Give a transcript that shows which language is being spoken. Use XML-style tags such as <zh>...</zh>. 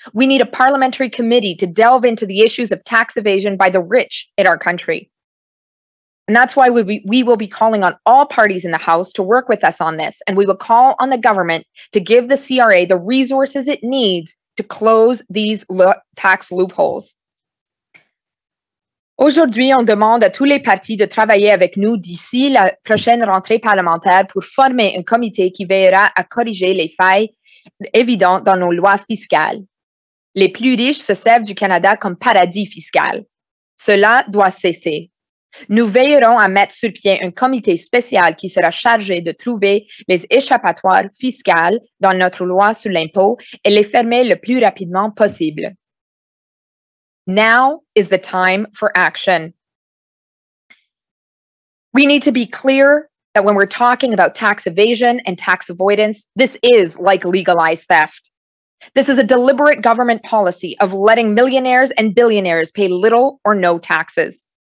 <en>We need a parliamentary committee to delve into the issues of tax evasion by the rich in our country. And that's why we will be calling on all parties in the House to work with us on this. And we will call on the government to give the CRA the resources it needs to close these tax loopholes.</en> <fr>Aujourd'hui, on demande à tous les partis de travailler avec nous d'ici la prochaine rentrée parlementaire pour former un comité qui veillera à corriger les failles évidentes dans nos lois fiscales. Les plus riches se servent du Canada comme paradis fiscal. Cela doit cesser. Nous veillerons à mettre sur pied un comité spécial qui sera chargé de trouver les échappatoires fiscales dans notre loi sur l'impôt et les fermer le plus rapidement possible.</fr> <en>Now is the time for action. We need to be clear that when we're talking about tax evasion and tax avoidance, this is like legalized theft. This is a deliberate government policy of letting millionaires and billionaires pay little or no taxes.</en>